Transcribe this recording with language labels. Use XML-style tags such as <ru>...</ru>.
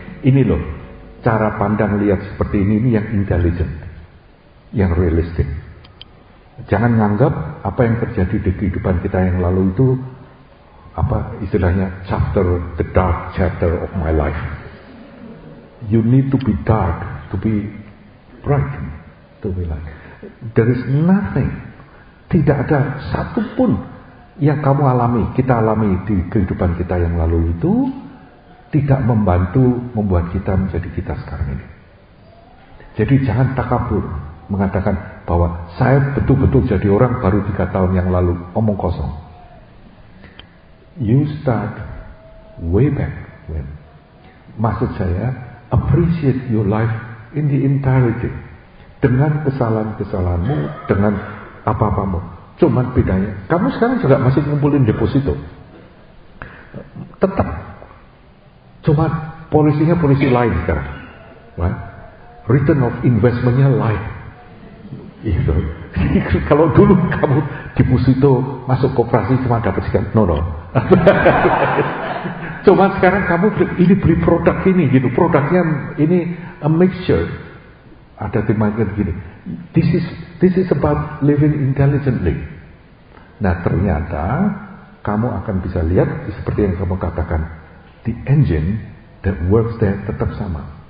<id>Ini loh, cara pandang lihat seperti ini yang intelligent, yang realistic. Jangan nganggap apa yang terjadi di kehidupan kita yang lalu itu apa istilahnya chapter,</id> <en>the dark chapter of my life. You need to be dark to be bright, to be light. There is nothing,</en> <id>tidak ada satu pun yang kamu alami, kita alami di kehidupan kita yang lalu itu tidak membantu membuat kita menjadi kita sekarang ini. Jadi jangan takabur mengatakan bahwa saya betul-betul jadi orang baru 3 tahun yang lalu, omong kosong.</id> <en>You start way back when.</en> <id>Maksud saya,</id> <en>appreciate your life in the entirety.</en> <id>Dengan kesalahan-kesalahanmu, dengan apa-apamu. Cuman bedanya, kamu sekarang juga masih ngumpulin deposito. Tetap. Cuma polisinya polisi lain sekarang.</id> <en>What?</en> <id>Return of investment-nya lain. Gitu. Kalau dulu kamu deposito masuk koperasi cuma dapat sekian. No. Cuma sekarang kamu ini beli produk ini gitu. Produknya ini a mixture. Ada temanya begini.</id> <en>This is about living intelligently.</en> <id>Nah ternyata kamu akan bisa lihat seperti yang kamu katakan,</id> <en>the engine that works there</en> <id>tetap sama.</id>